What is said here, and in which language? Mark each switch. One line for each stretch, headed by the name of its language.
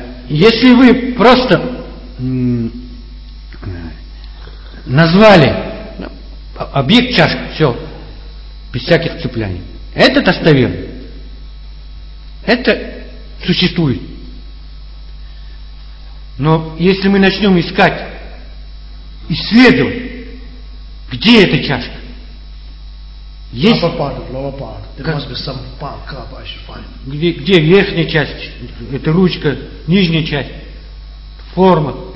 Russian: Если вы просто назвали объект чашки, все, без всяких цепляний. Это достоверно. Это существует. Но если мы начнем искать, исследовать, где эта чашка, есть.
English: Upper part, lower part. There must be some part, cup I should find.
Russian: Где верхняя часть, это ручка, нижняя часть, форма.